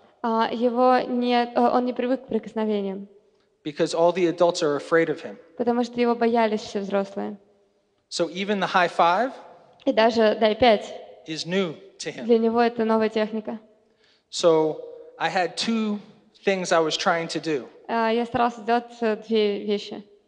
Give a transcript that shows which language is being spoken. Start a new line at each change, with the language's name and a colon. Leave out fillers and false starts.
Russian: Его нет, он не привык к прикосновениям.
English: Because all the adults are afraid of him.
Russian: Потому что его боялись все взрослые.
English: So even the high five.
Russian: И даже дай пять.
English: Is new to him.
Russian: Для него это новая техника.
English: So I had two things I was trying to do.
Russian: Я старался сделать две вещи.